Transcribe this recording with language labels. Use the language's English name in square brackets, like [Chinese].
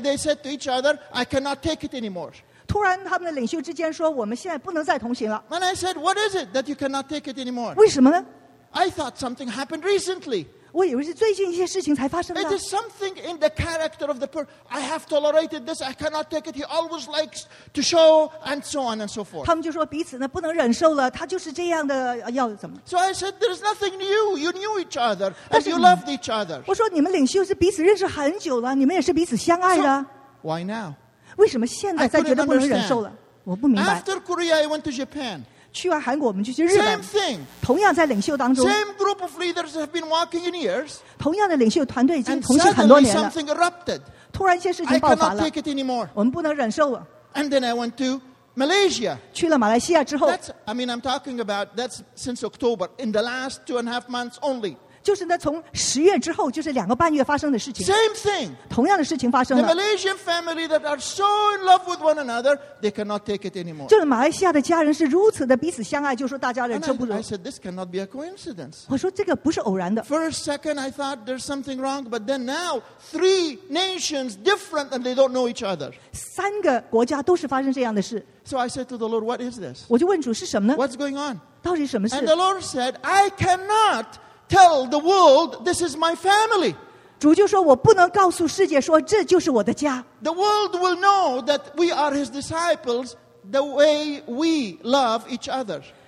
[English] they said to each other, "I cannot take it anymore." [Chinese] 突然，他们的领袖之间说，我们现在不能再同行了。 [English] And I said, "What is it that you cannot take it anymore?" [Chinese] 为什么呢？ [English] I thought something happened recently. [Chinese] 我以为是最近一些事情才发生的。 [English] It is something in the character of the person. I have tolerated this. I cannot take it. He always likes to show and so on and so forth. [Chinese] 他们就说彼此呢不能忍受了，他就是这样的，要怎么？ [English] So I said, there is nothing new. You knew each other and you loved each other. [Chinese] 我说你们领袖是彼此认识很久了，你们也是彼此相爱的。 [English] So why now? [Chinese] 为什么现在才觉得不能忍受了？我不明白。 [English] After Korea, I went to Japan. [Chinese] 去完韩国我们就去日本, [English] Same group of leaders have been walking in years. [Chinese] 同样的领袖团队已经同行很多年了。 [English] And suddenly something erupted. [Chinese] 突然一些事情爆发了。 [English] I cannot take it anymore. [Chinese] 我们不能忍受了。 [English] And then I went to Malaysia. [Chinese] 去了马来西亚之后。 [English] I'm talking about since October, in the last 2.5 months only. [Chinese] 就是呢，从十月之后，就是2个半月发生的事情。 [English] Same thing. [Chinese] 同样的事情发生了。 [English] The Malaysian family that are so in love with one another, they cannot take it anymore. [Chinese] 就是马来西亚的家人是如此的彼此相爱，就说大家忍受不住。 [English] I said this cannot be a coincidence. [Chinese] 我说这个不是偶然的。 [English] First, second, I thought there's something wrong, but then now three nations different and they don't know each other. [Chinese] 三个国家都是发生这样的事。 [English] So I said to the Lord, "What is this?" [Chinese] 我就问主是什么呢？ [English] What's going on? [Chinese] 到底什么事？ [English] And the Lord said, "I cannot tell the world this is my family." [Chinese] 主就说我不能告诉世界说这就是我的家。 [English] The world will know that we are his disciples the way we love each other.